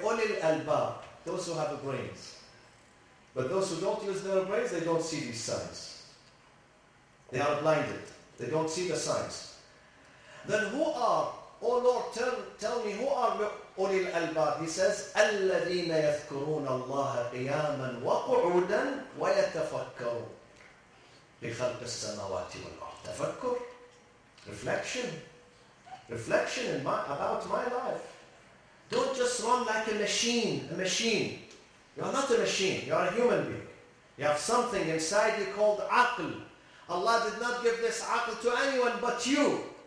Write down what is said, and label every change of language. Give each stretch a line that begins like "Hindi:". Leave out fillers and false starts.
Arabic: لِأُولِي الْأَلْبَابِ
English: Those who have brains. But those who don't use their brains, they don't see these signs. They are blinded. They don't see the signs. Then who are, O Lord, tell me, who are
Arabic: أولي الألباب?
English: He says,
Arabic: الذين يذكرون الله قياما وقعودا ويتفكرون بخلق السماوات والأرض.
English: تفكر, reflection in about my life. Don't just run like a machine. You are not a machine, you are a human being. You have something inside you called عقل. Allah did not give this عقل to anyone but you.